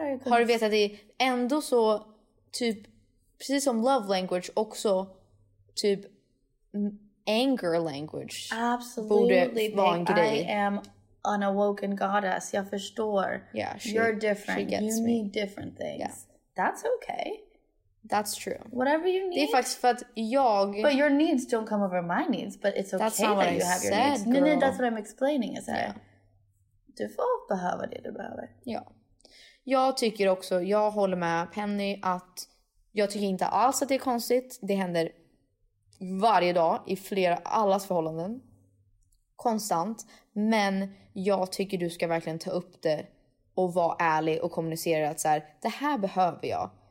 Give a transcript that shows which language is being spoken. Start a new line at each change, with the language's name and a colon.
Swedish: har jag har du vetat det ändå så, typ precis som love language också typ anger language.
English: Absolutely. I am an awoken goddess.
Swedish: Jag förstår.
English: Yeah, you're different. Need different things. Yeah. That's okay. That's true. Whatever you need.
Swedish: Det är faktiskt för att jag,
English: but your needs don't come over my needs, but it's okay that you have your needs. No, that's what I'm explaining is that.
Swedish: Du får behöva det du behöver. Ja. Jag tycker också, jag håller med Penny att jag tycker inte alls att det är konstigt. Det händer varje dag i flera allas förhållanden. Konstant. Men jag tycker du ska verkligen ta upp det och vara ärlig och kommunicera att så här, det här behöver jag.